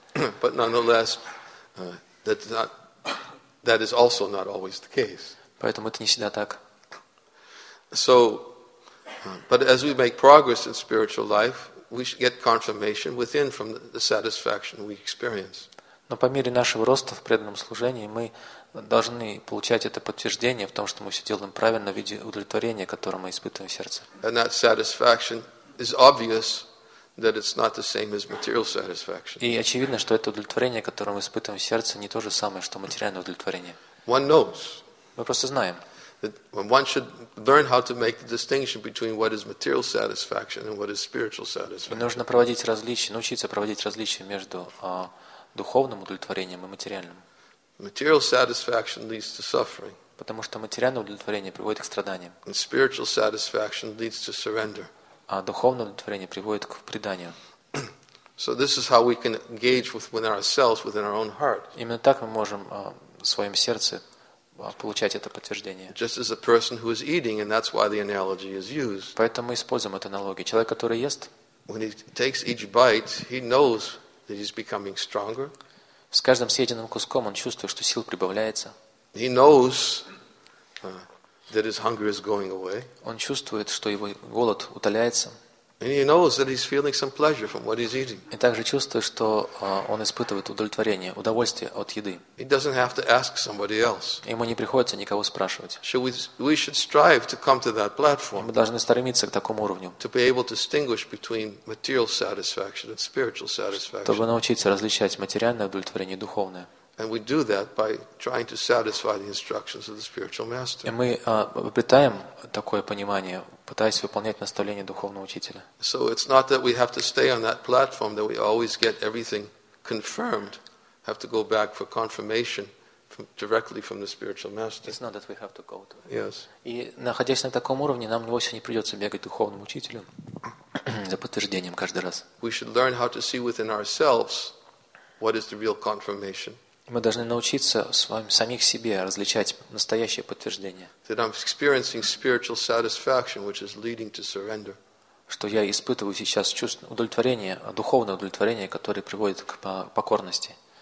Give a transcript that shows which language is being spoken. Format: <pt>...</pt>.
<en>But nonetheless, that is also not always the case.</en> <ru>Поэтому это не всегда так.</ru> <en>So, but as we make progress in spiritual life, we should get confirmation within from the satisfaction we experience.</en> <ru>Но по мере нашего роста в преданном служении мы должны получать это подтверждение в том, что мы все делаем правильно в виде удовлетворения, которое мы испытываем в сердце.</ru> <en>And that satisfaction is obvious that it's not the same as material satisfaction.</en> <ru>И очевидно, что это удовлетворение, которое мы испытываем в сердце, не то же самое, что материальное удовлетворение.</ru> <en>One knows.</en> <ru>Мы просто знаем.</ru> <en>One should learn how to make the distinction between what is material satisfaction and what is spiritual satisfaction.</en> <ru>Нужно проводить различия, научиться проводить различия между духовным удовлетворением и материальным.</ru> <en>Material satisfaction leads to suffering.</en> <ru>Потому что материальное удовлетворение приводит к страданиям.</ru> <en>And spiritual satisfaction leads to surrender.</en> <ru>А духовное удовлетворение приводит к преданию.</ru> <en>So this is how we can engage within ourselves, within our own heart.</en> <ru>Именно так мы можем в своем сердце получать это подтверждение.</ru> <en>Just as a person who is eating, and that's why the analogy is used.</en> <ru>Поэтому мы используем эту аналогию. Человек, который ест,</ru> <en>when he takes each bite, he knows that he's becoming stronger.</en> <ru>С каждым съеденным куском он чувствует, что сил прибавляется.</ru> <en>He knows that his hunger is going away.</en> <ru>Он чувствует, что его голод утоляется.</ru> <en>And he knows that he's feeling some pleasure from what he's eating.</en> <ru>И также чувствует, что он испытывает удовлетворение, удовольствие от еды.</ru> <en>He doesn't have to ask somebody else.</en> <ru>Ему не приходится никого спрашивать.</ru> <en>We should strive to come to that platform.</en> <ru>Мы должны стремиться к такому уровню.</ru> <en>To be able to distinguish between material satisfaction and spiritual satisfaction.</en> <ru>Чтобы научиться различать материальное удовлетворение и духовное.</ru> <en>And we do that by trying to satisfy the instructions of the spiritual master.</en> <ru>И мы обретаем такое понимание, пытаясь выполнять наставления духовного учителя.</ru> <en>So it's not that we have to stay on that platform, that we always get everything confirmed, have to go back for confirmation directly from the spiritual master. It's not that we have to go to. Yes.</en> <ru>И находясь на таком уровне, нам вовсе не придется бегать к духовному учителю за подтверждением каждый раз.</ru> <en>We should learn how to see within ourselves what is the real confirmation.</en> <ru>Мы должны научиться самих себе различать настоящее подтверждение. Что я испытываю сейчас чувство удовлетворения, духовное удовлетворение, которое приводит к покорности.</ru>